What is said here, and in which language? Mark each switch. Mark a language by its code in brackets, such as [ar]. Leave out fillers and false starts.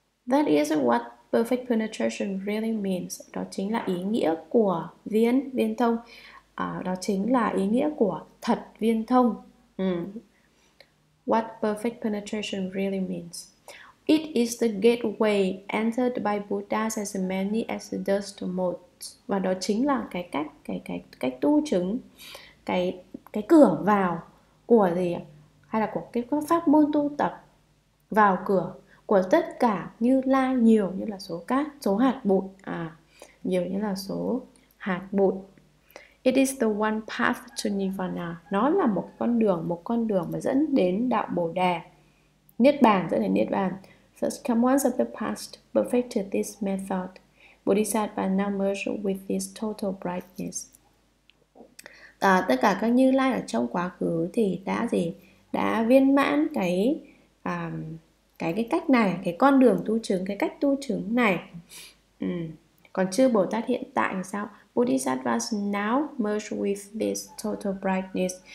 [en] That is what perfect penetration really means. [vi] Đó chính là ý nghĩa của viên viên thông. Đó chính là ý nghĩa của thật viên thông. [en] What perfect penetration really means. It is the gateway entered by Buddha as many as the dust mote. [vi] Và đó chính là cái cách tu chứng, cái cửa vào của gì hay là của cái pháp môn tu tập vào cửa của tất cả Như Lai, nhiều như là số cát, số hạt bụi, nhiều như là số hạt bụi. [en] It is the one path to Nirvana. [vi] Nó là một con đường mà dẫn đến đạo Bồ Đề. Niết bàn, dẫn đến niết bàn. [en] Such commands of the past perfected this method. Bodhisattva now merged with this total brightness. [vi] Tất cả các Như Lai ở trong quá khứ thì đã gì? Đã viên mãn cái cách này, cái con đường tu chứng, cái cách tu chứng này. Còn chư Bồ Tát hiện tại thì sao? [en] Bodhisattvas now merge with this total brightness.